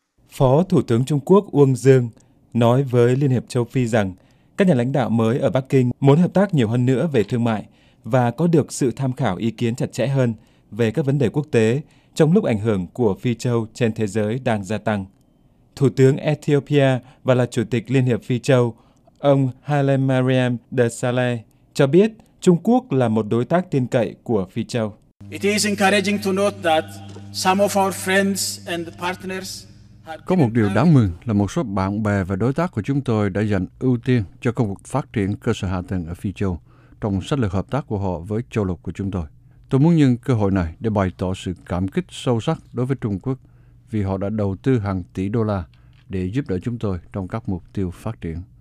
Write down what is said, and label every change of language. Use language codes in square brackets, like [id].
[vi] Phó Thủ tướng Trung Quốc Uông Dương nói với Liên hiệp Châu Phi rằng các nhà lãnh đạo mới ở Bắc Kinh muốn hợp tác nhiều hơn nữa về thương mại và có được sự tham khảo ý kiến chặt chẽ hơn về các vấn đề quốc tế trong lúc ảnh hưởng của Phi Châu trên thế giới đang gia tăng. Thủ tướng Ethiopia và là Chủ tịch Liên hiệp Phi Châu, ông Haile Mariam Desalegn cho biết Trung Quốc là một đối tác tin cậy của Phi Châu. [en] It is encouraging to note that some of our friends and partners. [vi] Có một điều đáng mừng là một số bạn bè và đối tác của chúng tôi đã dành ưu tiên cho công cuộc phát triển cơ sở hạ tầng ở Phi Châu trong sách lược hợp tác của họ với châu lục của chúng tôi. Tôi muốn nhân cơ hội này để bày tỏ sự cảm kích sâu sắc đối với Trung Quốc vì họ đã đầu tư hàng tỷ đô la để giúp đỡ chúng tôi trong các mục tiêu phát triển.